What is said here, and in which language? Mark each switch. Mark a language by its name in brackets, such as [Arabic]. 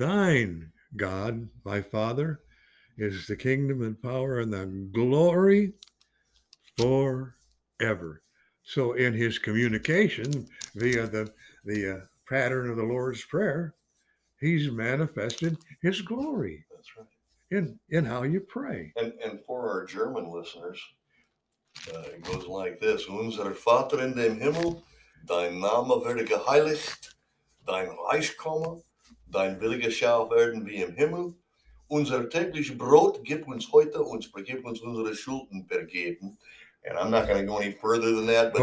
[English] Thine, God, my Father, is the kingdom and power and the glory forever. So in his communication via the pattern of the Lord's Prayer, he's manifested his glory. That's right. In how you pray. And for our German listeners, it goes like this. [German] Unser Vater in dem Himmel, dein Name werde geheiligt, dein Reich komme, dein Wille geschehe werden wie im Himmel. Unser täglich Brot gib uns heute und vergib uns unsere Schulden vergeben. [English] And I'm not going to go any further than that. But